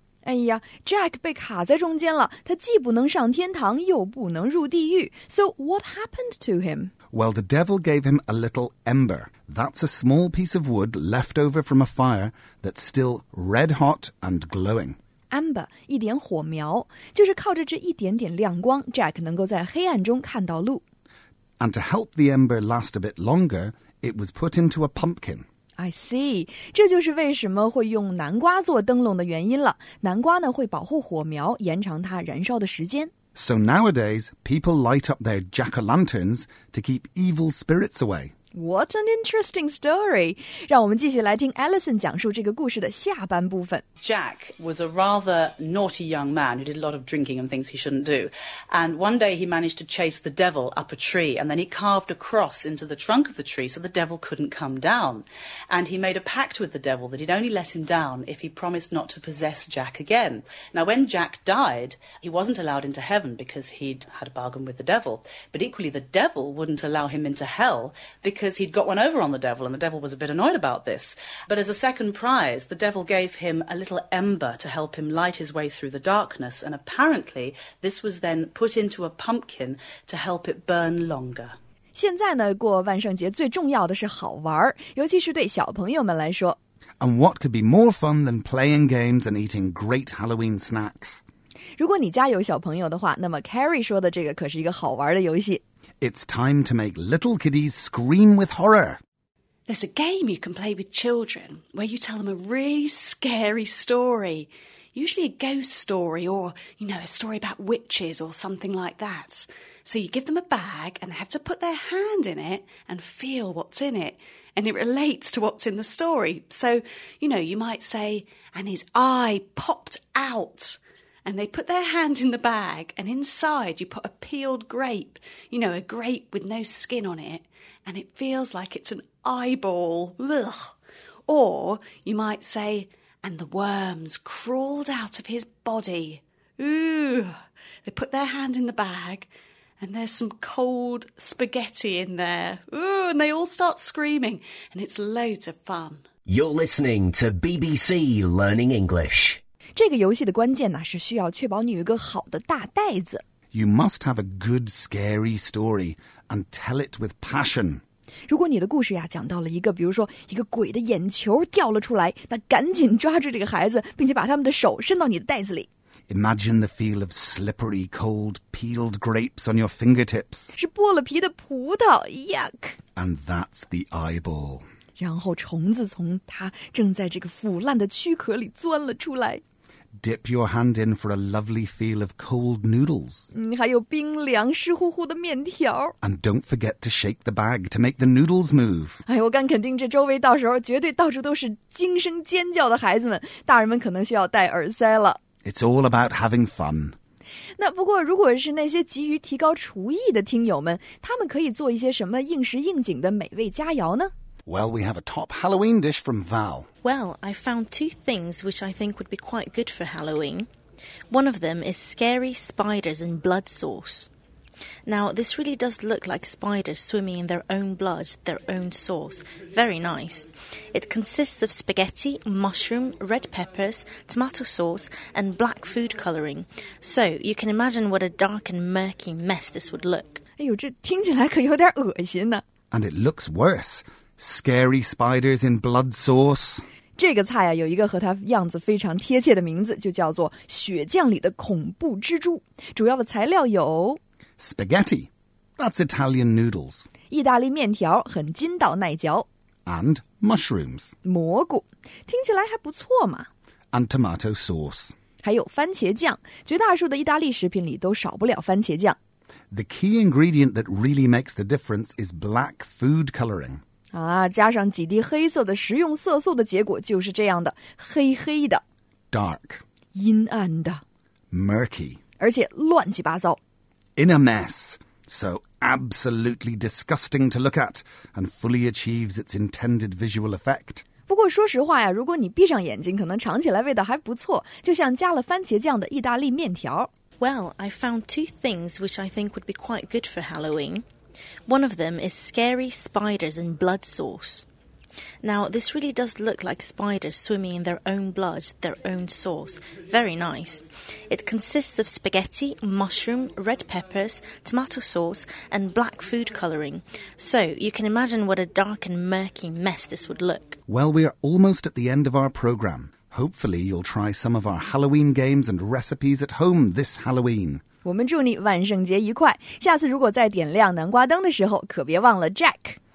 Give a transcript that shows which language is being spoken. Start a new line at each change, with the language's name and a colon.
Chinese: 哎呀 ,Jack 被卡在中间了，他既不能上天堂又不能入地狱。
English: So what happened to him? Well, the devil gave him a little ember. That's a small piece of wood left over from a fire that's still red hot and glowing.
Chinese: Ember, 一点火苗，就是靠着这一点点亮光 ,Jack 能够在黑暗中看到路。
English: And to help the ember last a bit longer, it was put into a pumpkin. I see.
Chinese: 这就是为什么会用南瓜做灯笼的原因了。南瓜呢会保护火苗，延长它燃烧的时间。
English: So nowadays, people light up their jack-o'-lanterns to keep evil spirits away. What an interesting story.
Chinese: 让我们继续来听 Alison 讲述这个故事的下半部分。
English: Jack was a rather naughty young man who did a lot of drinking and things he shouldn't do. And one day he managed to chase the devil up a tree, and then he carved a cross into the trunk of the tree so the devil couldn't come down. And he made a pact with the devil that he'd only let him down if he promised not to possess Jack again. Now, when Jack died, he wasn't allowed into heaven because he'd had a bargain with the devil. But equally, the devil wouldn't allow him into hell because he'd got one over on the devil, and the devil was a bit annoyed about this. But as a second prize, the devil gave him a little ember to help him light his way through the darkness, and apparently this was then put into a pumpkin to help it burn longer.
Chinese: 现在呢，过万圣节最重要的是好玩，尤其是对小朋友们来说。
English: And what could be more fun than playing games and eating great Halloween snacks?
Chinese: 如果你家有小朋友的话，那么 Carrie 说的这个可是一个好玩的游戏。
English: It's time to make little kiddies scream with horror. There's a game you can play with children where you tell them a really scary story. Usually a ghost story or, you know, a story about witches or something like that. So you give them a bag and they have to put their hand in it and feel what's in it. And it relates to what's in the story. So, you know, you might say, and his eye popped out. And they put their hand in the bag, and inside you put a peeled grape, you know, a grape with no skin on it, and it feels like it's an eyeball. Ugh. Or you might say, and the worms crawled out of his body. Ooh. They put their hand in the bag, and there's some cold spaghetti in there. Ooh, and they all start screaming, and it's loads of fun. You're listening to BBC Learning English.
Chinese: 这个游戏的关键呢，是需要确保你有一个好的大袋子。
English: You must have a good scary story and tell it with passion.
Chinese: 如果你的故事呀讲到了一个，比如说一个鬼的眼球掉了出来，那赶紧抓住这个孩子，并且把他们的手伸到你的袋子里。
English: Imagine the feel of slippery, cold, peeled grapes on your fingertips.
Chinese: 是剥了皮的葡萄 ，yuck.
English: And that's the eyeball.
Chinese: 然后虫子从它正在这个腐烂的躯壳里钻了出来。
English: Dip your hand in for a lovely feel of cold noodles.
Chinese: 还有冰凉湿乎乎的面条。
English: And don't forget to shake the bag to make the noodles move.
Chinese: 哎，我敢肯定这周围到时候绝对到处都是惊声尖叫的孩子们，大人们可能需要戴耳塞了。
English: It's all about having fun.
Chinese: 那不过如果是那些急于提高厨艺的听友们，他们可以做一些什么应时应景的美味佳肴呢？
English: Well, we have a top Halloween dish from Val. Well, I found two things which I think would be quite good for Halloween. One of them is scary spiders in blood sauce. Now, this really does look like spiders swimming in their own blood, their own sauce. Very nice. It consists of spaghetti, mushroom, red peppers, tomato sauce, and black food colouring. So, you can imagine what a dark and murky mess this would look.
Chinese: 哎呦，这听起来可有点恶心呢。
English: And it looks worse. Scary spiders in blood sauce.
Chinese: 这个菜啊，有一个和它样子非常贴切的名字，就叫做血酱里的恐怖蜘蛛。主要的材料有
English: spaghetti, that's Italian noodles.
Chinese: 意大利面条，很筋道耐嚼。
English: And mushrooms,
Chinese: 蘑菇，听起来还不错嘛。
English: And tomato sauce,
Chinese: 还有番茄酱。绝大多数的意大利食品里都少不了番茄酱。
English: The key ingredient that really makes the difference is black food coloring.
Chinese: 啊，加上几滴黑色的食用色素的结果就是这样的，黑黑的
English: ，dark，
Chinese: 阴暗的
English: ，murky，
Chinese: 而且乱七八糟
English: ，in a mess， so absolutely disgusting to look at and fully achieves its intended visual effect。
Chinese: 不过说实话呀，如果你闭上眼睛，可能尝起来味道还不错，就像加了番茄酱的意大利面条。
English: Well, I found two things which I think would be quite good for Halloween. One of them is scary spiders in blood sauce. Now, this really does look like spiders swimming in their own blood, their own sauce. Very nice. It consists of spaghetti, mushroom, red peppers, tomato sauce, and black food colouring. So, you can imagine what a dark and murky mess this would look. Well, we are almost at the end of our programme. Hopefully, you'll try some of our Halloween games and recipes at home this Halloween.
Chinese: 我们祝你万圣节愉快。下次如果再点亮南瓜灯的时候，可别忘了 Jack。